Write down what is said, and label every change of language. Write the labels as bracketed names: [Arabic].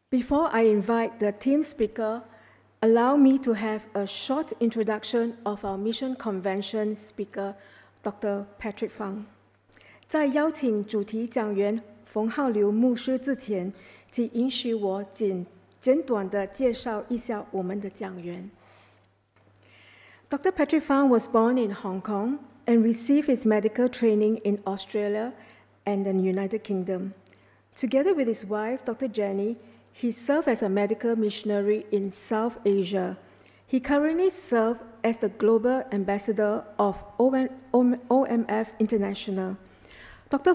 [English] Before I invite the team speaker, allow me to have a short introduction of our Mission Convention speaker, Dr. Patrick Fang. [Chinese] 在邀请主题讲员冯浩流牧师之前，请允许我简短地介绍一下我们的讲员。 [English] Dr. Patrick Fang was born in Hong Kong and received his medical training in Australia and the United Kingdom. Together with his wife, Dr. Jenny, he served as a medical missionary in South Asia. He currently serves as the global ambassador of OMF International. Dr.